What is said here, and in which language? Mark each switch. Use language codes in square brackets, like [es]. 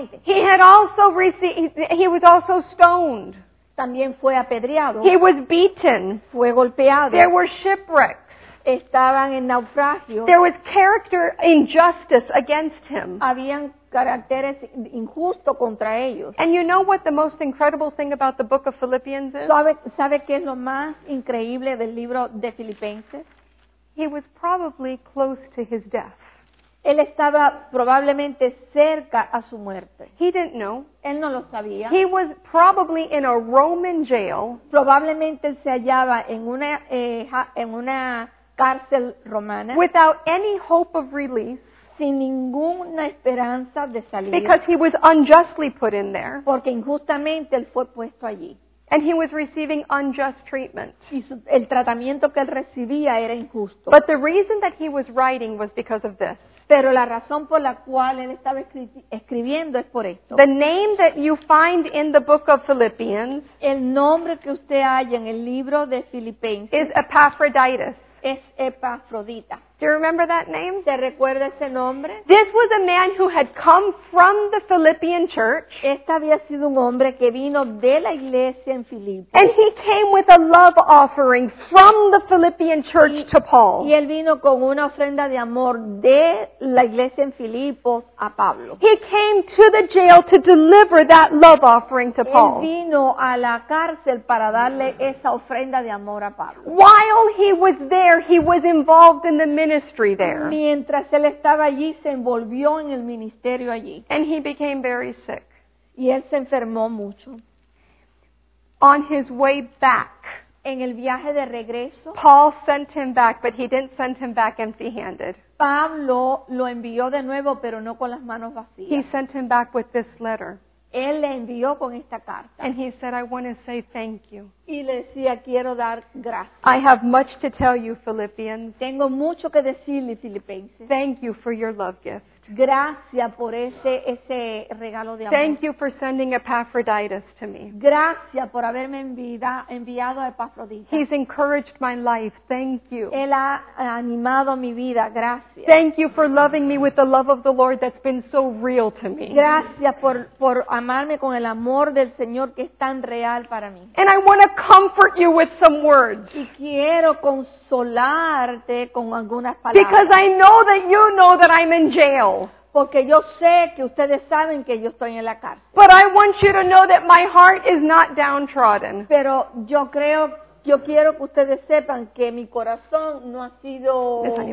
[en] He had also he was also stoned. [es] También fue apedreado. [en] He was beaten. [es] Fue golpeado. [en] There were shipwrecks. [es] Estaban en naufragio. [en] There was character injustice against him. [es] Habían caracteres injusto contra ellos. [en] And you know what the most incredible thing about the book of Philippians is? [es] ¿Sabe qué es lo más increíble del libro de Filipenses? [en] He was probably close to his death. [es] Él estaba probablemente cerca a su muerte. [en] He didn't know. [es] Él no lo sabía. [en] He was probably in a Roman jail. [es] Probablemente él se hallaba en una cárcel romana. [en] Without any hope of release. [es] Sin ninguna esperanza de salir. [en] Because he was unjustly put in there. [es] Porque injustamente él fue puesto allí. [en] And he was receiving unjust treatment. [es] El tratamiento que él recibía era injusto. [en] But the reason that he was writing was because of this. [es] Pero la razón por la cual él estaba escribiendo es por esto. [en] The name that you find in the book of Philippians. [es] El nombre que usted halla en el libro de Filipenses. [en] Is Epaphroditus. [es] Es Epafrodita. [en] Do you remember that name? [es] ¿Te recuerda ese nombre? [en] This was a man who had come from the Philippian church. [es] Este había sido un hombre que vino de la iglesia en Filipos. [en] And he came with a love offering from the Philippian church to Paul. [es] Y él vino con una ofrenda de amor de la iglesia en Filipos a Pablo. [en] He came to the jail to deliver that love offering to Paul. [es] Él vino a la cárcel para darle esa ofrenda de amor a Pablo. [en] While he was there, he was involved in the ministry there. [es] Mientras él estaba allí, se envolvió en el ministerio allí. [en] And he became very sick. [es] Y él se enfermó mucho. [en] On his way back, [es] en el viaje de regreso, [en] Paul sent him back, but he didn't send him back empty-handed. [es] Pablo lo envió de nuevo, pero no con las manos vacías. [en] He sent him back with this letter. [es] Él le envió con esta carta. [en] And he said, I want to say thank you. [es] Y le decía, quiero dar gracias. [en] I have much to tell you, Philippians. [es] Tengo mucho que decirle, Filipenses. [en] Thank you for your love gift. [es] Gracias por ese regalo de amor. [en] Thank you for sending Epaphroditus to me. [es] Gracias por haberme enviado a Epafroditus. [en] He's encouraged my life. Thank you. [es] Él ha animado mi vida. Gracias. [en] Thank you for loving me with the love of the Lord that's been so real to me. [es] Gracias por amarme con el amor del Señor que es tan real para mí. [en] And I want to comfort you with some words. [es] Y quiero consolarte con algunas palabras. [en] Because I know that you know that I'm in jail. [es] Porque yo sé que ustedes saben que yo estoy en la cárcel. [en] But I want you to know that my heart is not downtrodden. [es] Pero yo quiero que ustedes sepan que mi corazón no ha sido